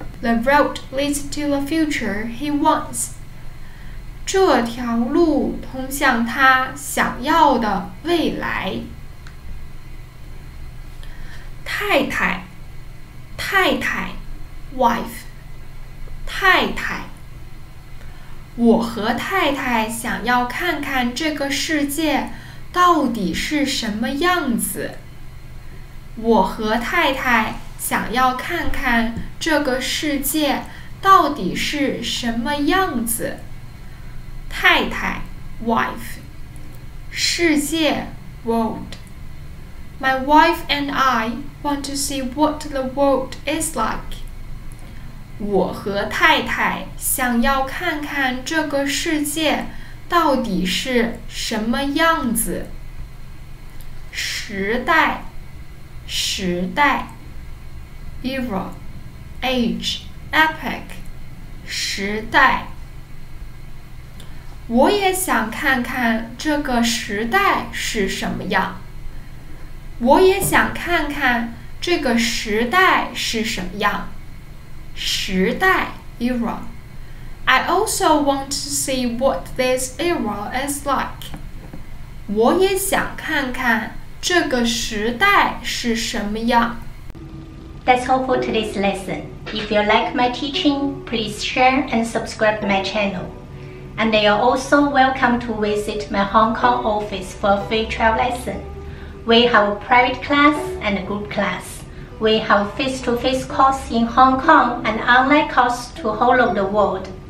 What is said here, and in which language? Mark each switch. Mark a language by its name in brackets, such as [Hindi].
[English] the road leads to the future he wants。 [Chinese] 这条路通向他想要的未来。太太，太太 [English] wife， [Chinese] 太太，我和太太想要看看这个世界到底是什么样子。我和太太想要看看这个世界到底是什么样子。太太 [English] wife， [Chinese] 世界 world。 [English] My wife and I want to see what the world is like. [Chinese] 我和太太想要看看这个世界到底是什么样子。时代，时代 [English] ，era, age, epoch, [Chinese] 时代。我也想看看这个时代是什么样。我也想看看这个时代是什么样。时代 [English] era。 I also want to see what this era is like. [Chinese] 我也想看看这个时代是什么样。 [English] That's all for today's lesson. If you like my teaching, please share and subscribe my channel. And you're also welcome to visit my Hong Kong office for a free trial lesson. We have a private class and a group class. We have face-to-face course in Hong Kong and online course to whole of the world.